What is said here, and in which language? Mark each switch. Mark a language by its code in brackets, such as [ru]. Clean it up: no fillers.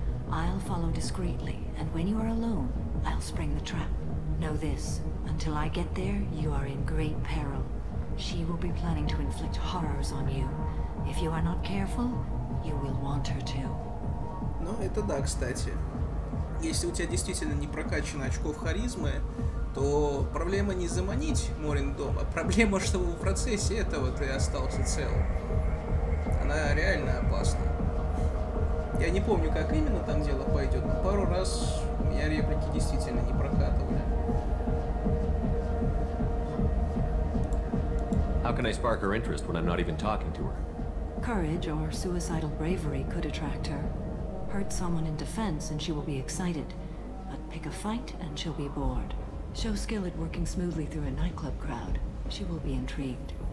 [en] I'll follow discreetly, and when you are alone, I'll spring the trap. Know this, until I get there, you are in great peril. She will be planning to inflict horrors on you. If you are not careful, you will want her to. [ru] Ну, это да, кстати. Если у тебя действительно не прокачано очков харизмы, то проблема не заманить Морин дом, а проблема, чтобы в процессе этого ты остался цел. Она реально опасна. Я не помню, как именно там дело пойдет, но пару раз у меня реплики действительно не прокатывали. [en] How can I spark her interest when I'm not even talking to her? Courage or suicidal bravery could attract her. Hurt someone in defense and she will be excited. But pick a fight and she'll be bored. Show skill at working smoothly through a nightclub crowd. She will be intrigued.